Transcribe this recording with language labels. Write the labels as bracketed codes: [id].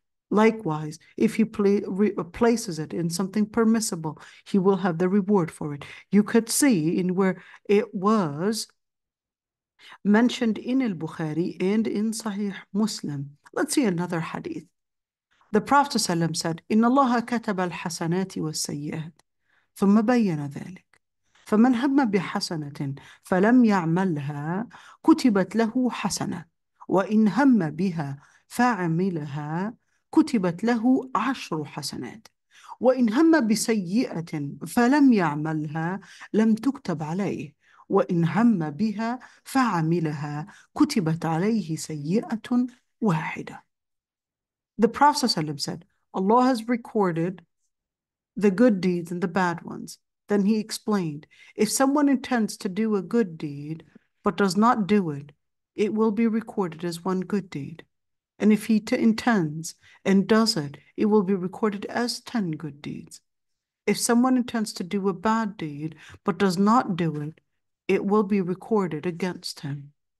[en] Likewise, if he places it in something permissible, he will have the reward for it. You could see in where it was mentioned in al-Bukhari and in Sahih Muslim. Let's see another hadith. [ar] The Prophet ﷺ said, إِنَّ اللَّهَ كَتَبَ الْحَسَنَاتِ وَالسَّيِّئَاتِ ثُمَّ بَيَّنَ ذَلِكَ فَمَنْ هَمَّ بِحَسَنَةٍ فَلَمْ يَعْمَلْهَا كُتِبَتْ لَهُ حَسَنَةٌ وَإِنْ هَمَّ بِهَا فَعَمِلَهَا كُتِبَتْ لَهُ 10 حَسَنَاتٍ وَإِنْ هَمَّ بِسَيِّئَةٍ فَلَمْ يَعْمَلْهَا لَمْ تُكْتَبْ عَلَيْهِ وَإِنْ هَمَّ بِهَا فَعَمِلَهَا كُتِبَتْ عَلَيْهِ سَيِّئَةٌ وَاحِدَةٌ [en] The Prophet ﷺ said, Allah has recorded the good deeds and the bad ones. Then he explained, if someone intends to do a good deed but does not do it, it will be recorded as one good deed. And if he intends and does it, it will be recorded as 10 good deeds. If someone intends to do a bad deed but does not do it, it will be recorded against him.